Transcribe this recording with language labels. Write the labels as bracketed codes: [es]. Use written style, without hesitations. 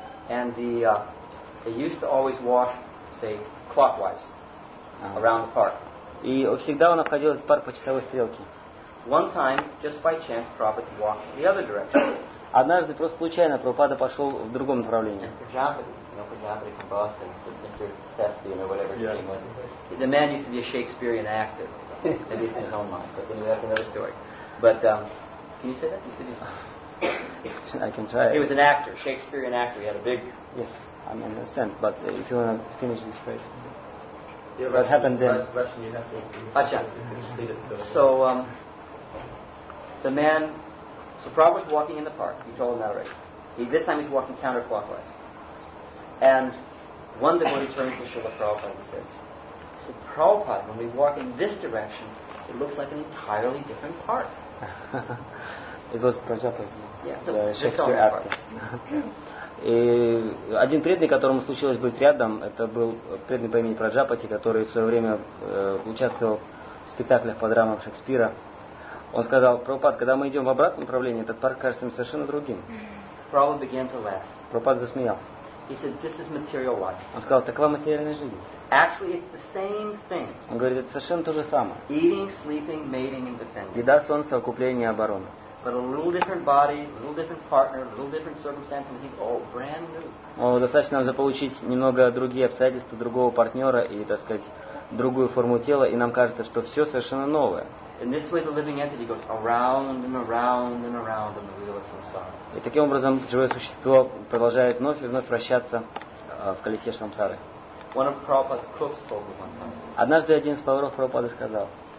[en] And the they used to always walk, say, clockwise around the park. [ru] И всегда он обходил этот парк по часовой стрелке. [en] One time, just by chance, Prabhupada walked the other direction. [ru] Однажды просто случайно Прабхупада пошел в другом направлении. [en] The man used to be a Shakespearean actor, at least in his own mind. But anyway, that's another story. But can you say that? You said I can try. He was an actor, Shakespearean actor. He had a big. Yes, I understand. But if you want to finish this phrase, yeah, what happened then? Russian, you have to. Acha. So the man. So Prabhupada was walking in the park. You told him that already. This time he's walking counterclockwise. And one devotee turns to Srila Prabhupada and says, so Prabhupada, when we walk in this direction, it looks like an entirely different park. It was Prajapati. Yeah, Shakespeare actor. [ru] И один преданный, которому случилось быть рядом, это был преданный по имени Праджапати, который в свое время участвовал в спектаклях по драмам Шекспира. Он сказал, Прабхупад, когда мы идем в обратном направлении, этот парк кажется мне совершенно другим. [en] Prabhupada began to laugh. [ru] Прабхупад засмеялся. [en] He said, this is material life. [ru] Он сказал, такова материальная жизнь. [en] Actually, it's the same thing. [ru] Он говорит, это совершенно то же самое. [en] Eating, sleeping, mating and defending. [ru] Еда, солнце, окупление и оборона. [en] But a little different body, a little different partner, a little different circumstance, and he's all brand new. [ru] Но достаточно нам заполучить немного другие обстоятельства, другого партнера и, так сказать, другую форму тела, и нам кажется, что все совершенно новое. [en] In this way, the living entity goes around and around and around on the wheel of samsara. [ru] И таким образом живое существо продолжает вновь и вновь вращаться в колесе самсары. [en] One of Prabhupada's cooks told me one time. [ru] Однажды один из поваров Прабхупады сказал,